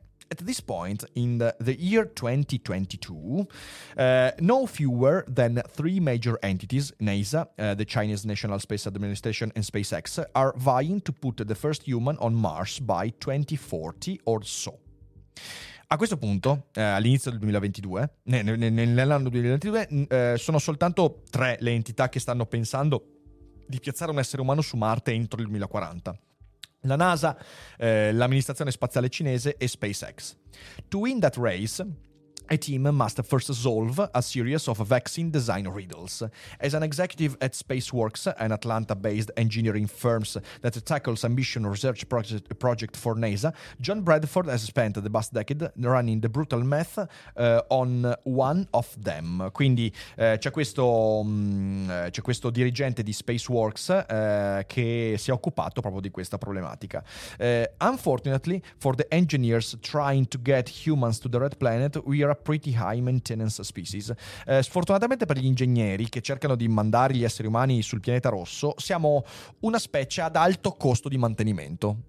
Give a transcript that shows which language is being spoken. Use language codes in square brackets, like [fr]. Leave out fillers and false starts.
[en] at this point in the year 2022, no fewer than three major entities, NASA, the Chinese National Space Administration, and SpaceX, are vying to put the first human on Mars by 2040 or so. [it] A questo punto, all'inizio del 2022, nell'anno 2022, sono soltanto tre le entità che stanno pensando di piazzare un essere umano su Marte entro il 2040. La NASA, l'amministrazione spaziale cinese e SpaceX. [en] To win that race, a team must first solve a series of vaccine design riddles. As an executive at SpaceWorks, an Atlanta-based engineering firm that tackles ambition research project for NASA, John Bradford has spent the past decade running the brutal math on one of them. [it] Quindi c'è questo dirigente di SpaceWorks che si è occupato proprio di questa problematica. [en] Unfortunately, for the engineers trying to get humans to the red planet, we are pretty high maintenance species. [it] Sfortunatamente per gli ingegneri che cercano di mandare gli esseri umani sul pianeta rosso, siamo una specie ad alto costo di mantenimento.